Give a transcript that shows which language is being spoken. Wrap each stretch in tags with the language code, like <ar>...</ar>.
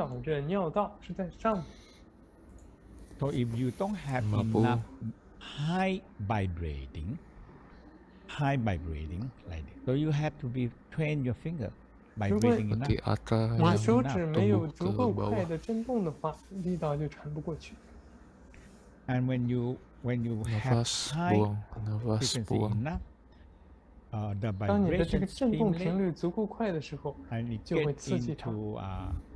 <zh>女性的这个，或者是女性前列腺是缠绕着尿道，是在上面。So</zh> <en>if you don't have enough high vibrating like this, so you have to be train your finger vibrating enough.</en> <zh>如果手指没有足够快的震动的话，力道就传不过去。And</zh> <en>when you have high frequency enough.</en> <zh>当你的这个振动频率足够快的时候， 就会刺激它。</zh>